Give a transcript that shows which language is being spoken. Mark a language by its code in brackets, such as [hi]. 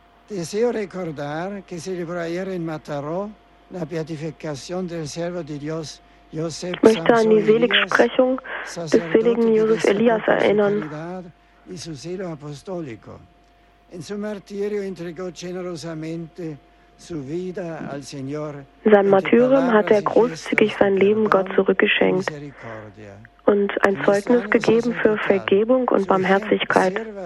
[es] Deseo recordar que celebró ayer en Mataró la beatificación del siervo de Dios Josef Sanz. [de] Möchte an die Seligsprechung des seligen Josef Elias erinnern. [es] Y su celo apostólico. En su martirio entregó generosamente su vida al Señor. [de] Sein Martyrium hat er großzügig sein Leben Gott zurückgeschenkt und ein Zeugnis gegeben für Vergebung und Barmherzigkeit.